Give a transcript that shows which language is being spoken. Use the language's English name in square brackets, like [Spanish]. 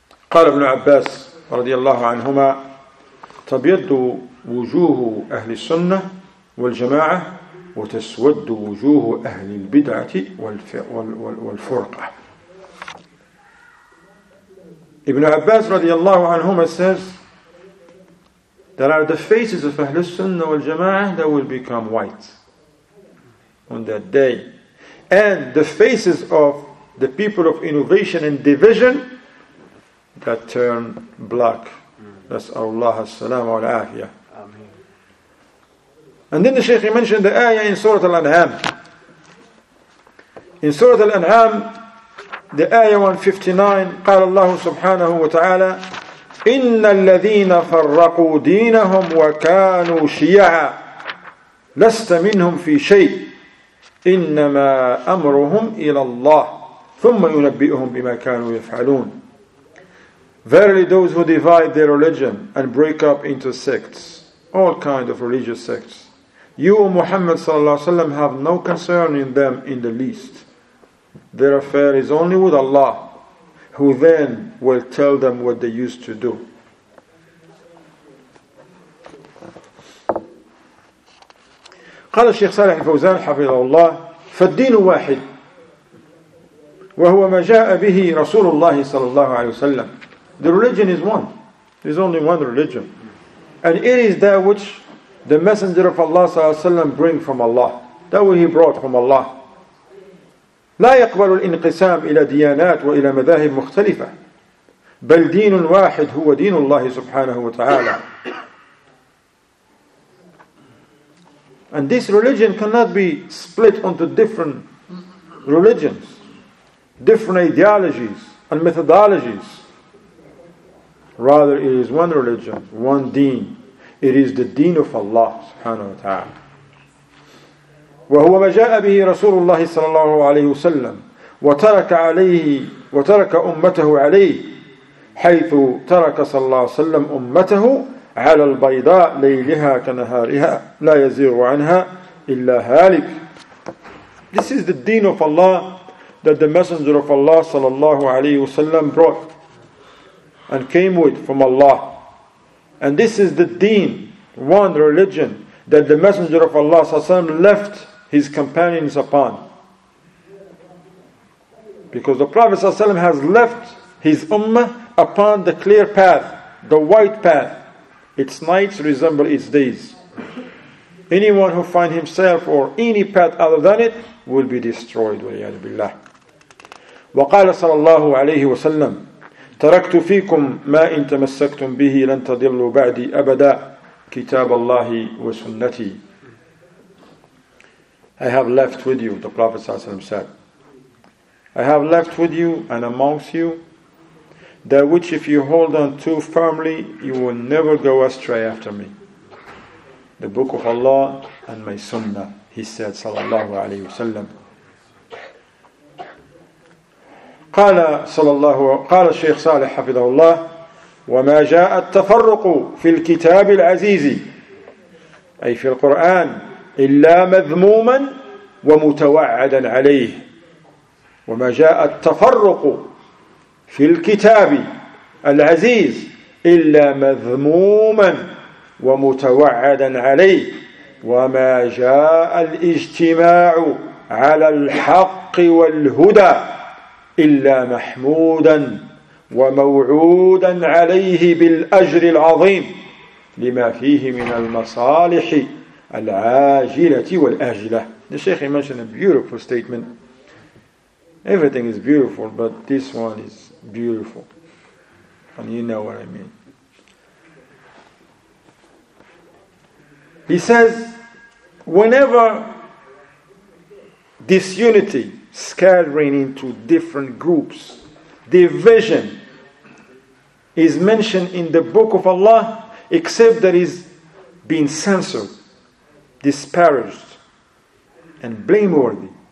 [Arabic] قال ابن عباس رضي الله عنهما تبيض وجوه أهل السنة والجماعة وتسود وجوه أهل البدعة والفرقة. [English] Ibn Abbas [Arabic] رضي الله عنهما [English] says, there are the faces of [Arabic] أهل السنة والجماعة [English] that will become white on that day. And the faces of the people of innovation and division that turn black. [Arabic] نسأل الله السلام والعافية. [English] And then the Shaykh mentioned the ayah in Surah Al-An'am. In Surah Al-An'am, the ayah 159, [Arabic] قال الله سبحانه وتعالى إِنَّ الَّذِينَ فَرَّقُوا دِينَهُمْ وَكَانُوا شِيَعًا لَسْتَ مِنْهُمْ فِي شَيْءٍ إِنَّمَا أَمْرُهُمْ إِلَى اللَّهِ ثُمَّ يُنَبِّئُهُمْ بِمَا كَانُوا يَفْعَلُونَ. [English] Verily those who divide their religion and break up into sects, all kinds of religious sects, you, Muhammad sallallahu alaihi wasallam, have no concern in them in the least. Their affair is only with Allah, who then will tell them what they used to do. [Arabic] قال الشيخ صالح الفوزان حفظه الله فالدين واحد وهو ما جاء به رسول الله صلى الله عليه وسلم. [English] The religion is one. There's only one religion. And it is that which the Messenger of Allah [Arabic] صلى الله عليه وسلم [English] bring from Allah. That which he brought from Allah. [Arabic] لا يقبل الانقسام إلى ديانات وإلى مذاهب مختلفة. بل دين واحد هو دين الله سبحانه وتعالى. [English] And this religion cannot be split into different religions, different ideologies and methodologies. Rather, it is one religion, one deen. It is the deen of Allah subhanahu wa ta'ala. [Arabic] وهو ما جاء به رسول الله صلى الله عليه وسلم وترك عليه وترك أمته عليه حيث ترك صلى الله عليه وسلم أمته على البيضاء ليلها كنهارها لا يزيغ عنها إلا هالك. [English] This is the deen of Allah that the Messenger of Allah [Arabic] صلى الله عليه وسلم [English] brought and came with from Allah. And this is the deen, one religion, that the Messenger of Allah left his companions upon. Because the Prophet has left his ummah upon the clear path, the white path. Its nights resemble its days. Anyone who finds himself or any path other than it will be destroyed. [Arabic] وقال صلى الله عليه وسلم تركت فيكم ما إن تمسكتم به لن تضلوا بعدي أبدا كتاب الله وسنتي. [English] I have left with you, the Prophet ﷺ said, I have left with you and amongst you that which if you hold on to firmly, you will never go astray after me. The Book of Allah and my Sunnah, he said [Arabic] صلى الله عليه وسلم. قال صلى الله قال الشيخ صالح حفظه الله وما جاء التفرق في الكتاب العزيز أي في القرآن إلا مذموما ومتوعدا عليه. وما جاء التفرق في الكتاب العزيز إلا مذموما ومتوعدا عليه. وما جاء الاجتماع على الحق والهدى إلا محمودا وموعودا عليه بالأجر العظيم لما فيه من المصالح العاجلة والآجلة. [English] The Sheikh mentioned a beautiful statement. Everything is beautiful, but this one is beautiful. And you know what I mean. He says, whenever disunity, scattering into different groups, division is mentioned in the Book of Allah, except that is being censored, disparaged, and blameworthy.